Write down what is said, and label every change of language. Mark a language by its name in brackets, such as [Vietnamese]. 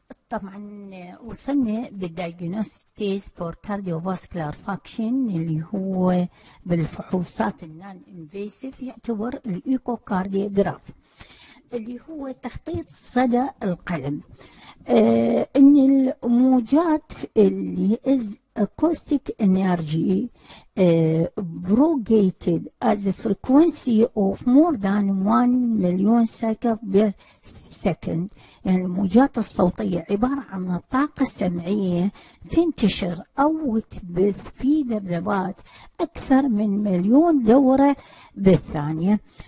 [Arabic] طبعا وصلنا بالدياجنوستيس فور كارديو فاسكولار فاكشن اللي هو بالفحوصات النان انفيسيف، يعتبر الايكوكارديوغراف اللي هو تخطيط صدى القلب. ان الموجات اللي [English] Is acoustic energy propagated as a frequency of more than 1,000,000 cycles per second. [Arabic] يعني الموجات الصوتية عبارة عن طاقة سمعية تنتشر أو تبث في ذبذبات أكثر من 1,000,000 دورة بالثانية.